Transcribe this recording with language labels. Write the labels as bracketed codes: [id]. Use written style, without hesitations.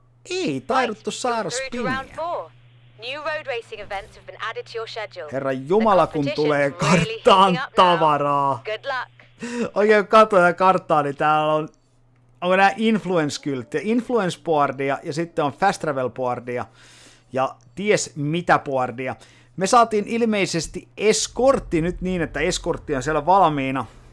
[fi] Ei taiduttu saada spinniä. [en] New road racing events have been added to your schedule. [fi] Herra Jumala, kun tulee karttaan really tavaraa. [en] Good luck. [fi] Oikein katsoja karttaa, niin täällä on... Onko nää influence-kylttiä? Influence-boardia ja sitten on fast travel-boardia. Ja ties mitä boardia. Me saatiin ilmeisesti eskortti nyt niin, että eskortti on siellä valmiina.